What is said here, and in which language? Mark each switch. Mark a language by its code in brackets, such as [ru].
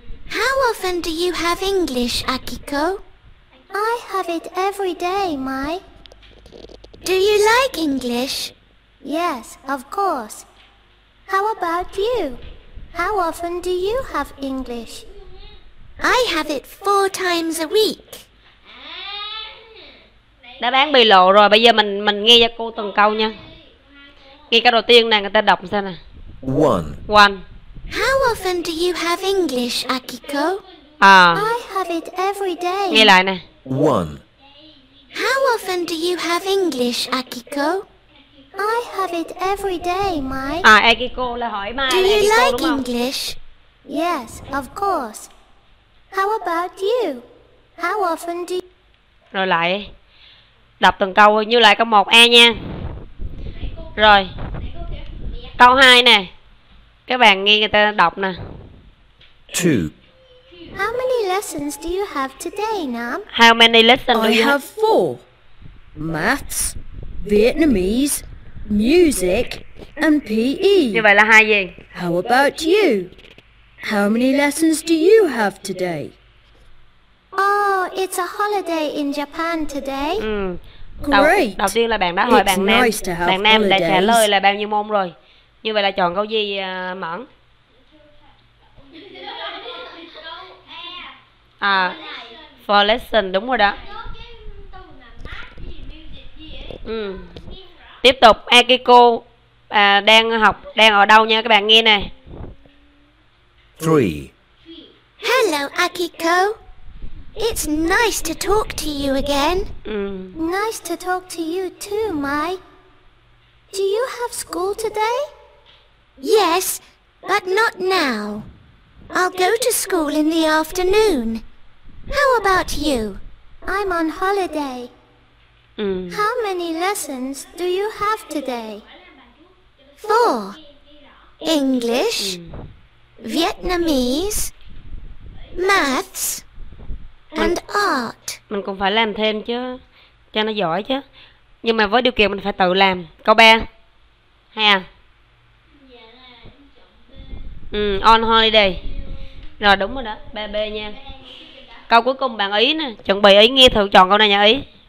[en] How often do you have English, Akiko? I have it every day, Mai. Do you like English? Yes, of course. How about you? How often do you have English? I have it 4 times a week. [vi] Đã bán bị lộ rồi, bây giờ mình nghe cho cô từng câu nha. Nghe câu đầu tiên nè, người ta đọc xem nè. [en] 1. How often do you have English, Akiko? I have it every day. [vi] Nghe lại nè. [en] 1. How often do you have English, Akiko? I have it every day, Mai. [vi] À, Akiko là hỏi Mai. [en] Do you like English? Yes, of course. How about you? How often do you... [vi] Rồi lại. Đọc từng câu như lại câu 1A nha. Rồi. Câu 2 nè. Các bạn nghe người ta đọc nè. [en] 2. How many lessons do you have today, Nam? How many lessons do you have? I have 4. Maths, Vietnamese, music and PE. [vi] Như vậy là hai gì? [en] How about you? How many lessons do you have today? Oh, it's a holiday in Japan today. Great. [vi] Đầu tiên là bạn đã hỏi bạn Nam. Bạn Nam đã trả lời là bao nhiêu môn rồi? Như vậy là chọn câu gì, Mẫn? À, [en] for lesson, [vi] đúng rồi đó. Tiếp tục, Akiko đang học, đang ở đâu nha các bạn nghe nè. [en] 3. Hello Akiko. It's nice to talk to you again. Nice to talk to you too, Mai. Do you have school today? Yes, but not now. I'll go to school in the afternoon. How about you? I'm on holiday. How many lessons do you have today? 4. English, Vietnamese, maths, and art. [vi] Mình cũng phải làm thêm chứ, cho nó giỏi chứ. Nhưng mà với điều kiện mình phải tự làm. Câu 3. Hay à? [en] On holiday. [vi] Rồi đúng rồi đó, 3B nha. Câu cuối cùng bạn ý nè, chuẩn bị ý nghe thử chọn câu này nha ý.